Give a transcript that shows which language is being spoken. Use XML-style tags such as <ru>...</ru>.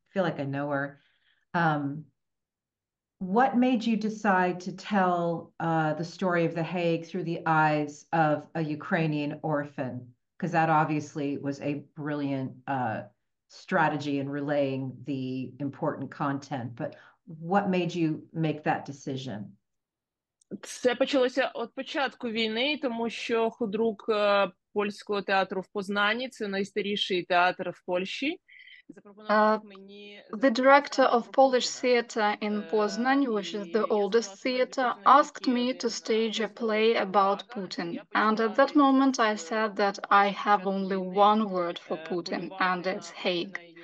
<en>I feel like I know her. What made you decide to tell the story of The Hague through the eyes of a Ukrainian orphan? Because that obviously was a brilliant strategy in relaying the important content. But what made you make that decision?</en> <uk>Це почалося от початку війни, тому що худрук польського театру в Познані, це найстаріший театр в Польщі.</uk> <en>The director of Polish theater in Poznan, which is the oldest theater, asked me to stage a play about Putin. And at that moment I said that I have only one word for Putin, and it's Hague.</en>